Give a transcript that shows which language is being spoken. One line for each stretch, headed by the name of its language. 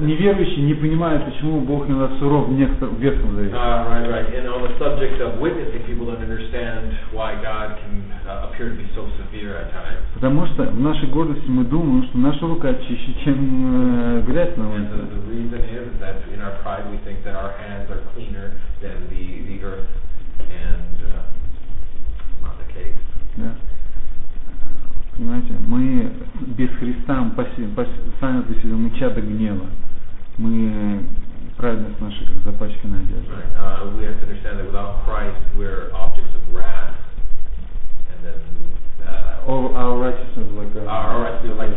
Russian: неверующие не понимают, почему Бог иногда суров в Ветхом Завете.
English: And on the subject of witnessing, people don't understand why God can appear to be so severe at times.
Russian: Потому что в нашей гордости мы думаем, что наша рука чище, чем грязь на улице.
English: And the reason is that in our pride we think that our hands are cleaner than the earth, and not the case.
Russian: Понимаете, мы без Христа, сами по себе, мы чадо гнева. Мы праведность наша как запачканная одежда.
English: We have to understand that without Christ we're objects of wrath. And then our righteousness is like a